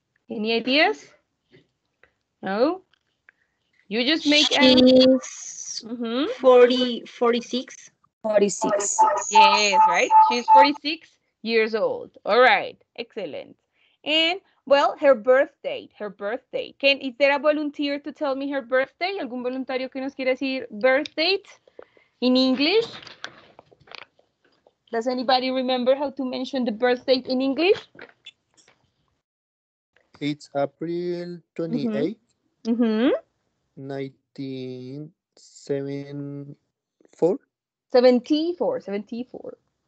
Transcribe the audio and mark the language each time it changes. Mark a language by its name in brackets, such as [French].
[English] Any ideas? No? You just make... She's 46. 46. Yes, right? She's 46 years old. All right. Excellent. And, well, her birthday. Her birthday. Is there a volunteer to tell me her birthday? [Spanish] ¿Algún voluntario que nos quiera decir [English] birth date in English? Does anybody remember how to mention the birth date in English? It's April 28, 1974.